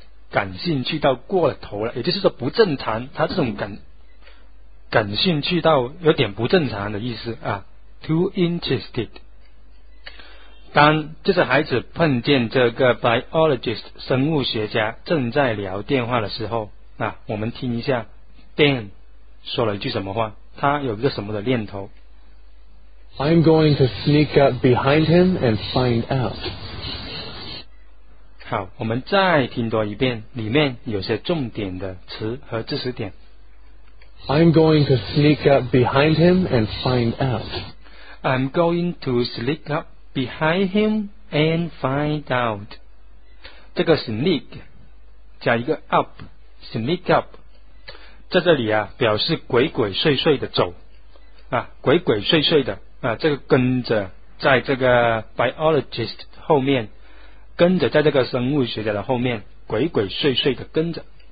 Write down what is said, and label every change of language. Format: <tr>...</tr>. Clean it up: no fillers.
<zh>感兴趣到过了头了，也就是说不正常，他这种感兴趣到有点不正常的意思啊。</zh> <en>Too interested。</en> <zh>当这个孩子碰见这个 biologist 生物学家正在聊电话的时候啊，我们听一下 Dan 说了一句什么话，他有一个什么的念头。</zh> <en>I'm going to sneak up behind him and find out。</en> <zh>好，我们再听多一遍，里面有些重点的词和知识点。</zh> <en>I'm going to sneak up behind him and find out. I'm going to sneak up behind him and find out.</en> <zh>这个 sneak 加一个 up， sneak up， 在这里啊，表示鬼鬼祟祟的走啊，鬼鬼祟祟的啊，这个跟着在这个 biologist 后面。跟着在这个生物学家的后面，鬼鬼祟祟的跟着。</zh>